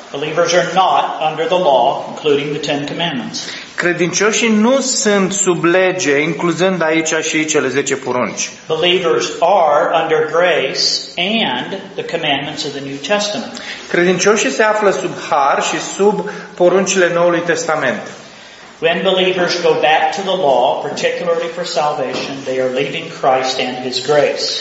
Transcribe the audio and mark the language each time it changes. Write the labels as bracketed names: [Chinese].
[English] Believers are not under the law, including the Ten Commandments. [Romanian] Credincioșii nu sunt sub lege, incluzând aici și cele 10 porunci. [English] Believers are under grace and the commandments of the New Testament. [Romanian] Credincioșii se află sub har și sub poruncile Noului Testament. [English] When believers go back to the law, particularly for salvation, they are leaving Christ and his grace.